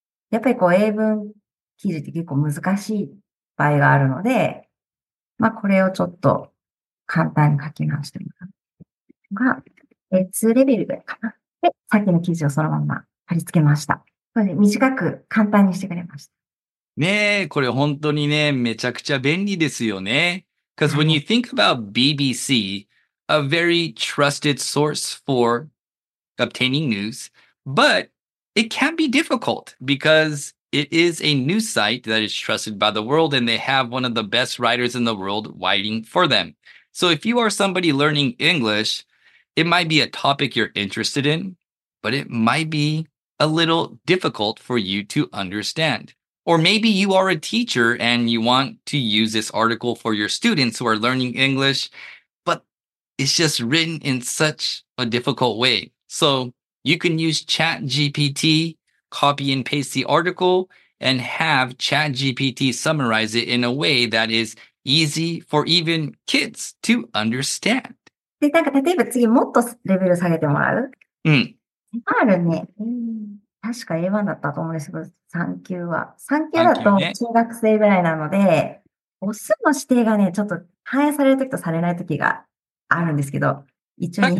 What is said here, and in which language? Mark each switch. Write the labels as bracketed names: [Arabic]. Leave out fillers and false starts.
[Japanese] やっぱりこう英文記事って結構難しい場合があるので、まあこれをちょっと簡単に書き直してもらう。が、2レベルぐらいかな。で、さっきの記事をそのまま貼り付けました。それで短く簡単にしてくれました。ねえ、これ本当にね、めちゃくちゃ便利ですよね。 [English] Because when you think about BBC, a very trusted source for obtaining news, but it can be difficult because it is a news site that is trusted by the world and they have one of the best writers in the world writing for them. So if you are somebody learning English, it might be a topic you're interested in, but it might be a little difficult for you to understand. Or maybe you are a teacher and you want to use this article for your students who are learning English, but it's just written in such a difficult way. So you can use ChatGPT, copy and paste the article, and have ChatGPT summarize it in a way that is easy for even kids to understand. [Japanese] で、なんか例えば次もっとレベル下げてもらう？うん。あるね。確か A1 だったと思うんですけど、3級は。3級だと中学生ぐらいなので、ね、オスの指定がね、ちょっと反映されるときとされないときがあるんですけど、一応200。